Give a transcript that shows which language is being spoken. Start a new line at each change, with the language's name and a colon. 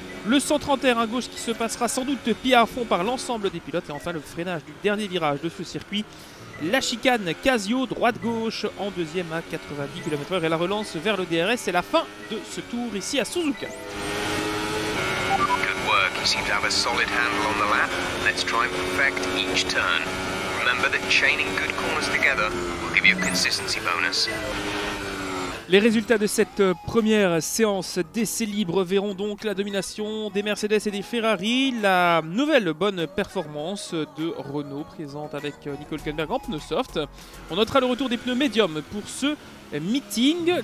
French: Le 130R à gauche qui se passera sans doute pied à fond par l'ensemble des pilotes. Et enfin le freinage du dernier virage de ce circuit. La chicane Casio droite-gauche en deuxième à 90 km/h et la relance vers le DRS. C'est la fin de ce tour ici à Suzuka.
English: Good work. You seem to have a solid handle on the lap. Let's try and perfect each turn. Remember that chaining good corners together will give you a consistency bonus.
French: Les résultats de cette première séance d'essai libre verront donc la domination des Mercedes et des Ferrari, la nouvelle bonne performance de Renault présente avec Nico Hülkenberg en pneus soft. On notera le retour des pneus médiums pour ce meeting.